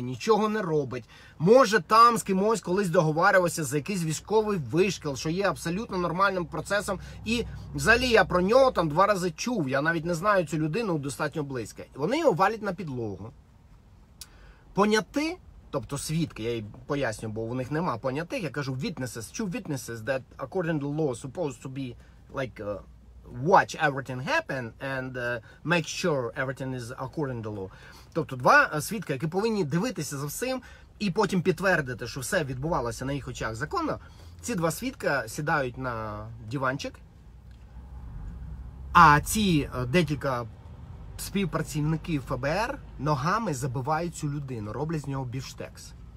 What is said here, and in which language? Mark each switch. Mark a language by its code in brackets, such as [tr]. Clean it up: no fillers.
[uk] Нічого не робить. Може там з кимось колись договарювався за якийсь військовий вишкіл, що є абсолютно нормальним процесом. І взагалі я про нього там два рази чув. Я навіть не знаю цю людину достатньо близько. Вони його валять на підлогу. Поняти, тобто свідки, я їй пояснюю, бо у них нема понятих. Я кажу, [en] witnesses, two witnesses that according to law supposed to be like watch everything happen and make sure everything is according to law. [uk] Тобто два свідки, які повинні дивитися за всім і потім підтвердити, що все відбувалося на їх очах законно. Ці два свідка сідають на диванчик, а ці декілька співпрацівників ФБР ногами забивають цю людину, роблять з нього біфштекс.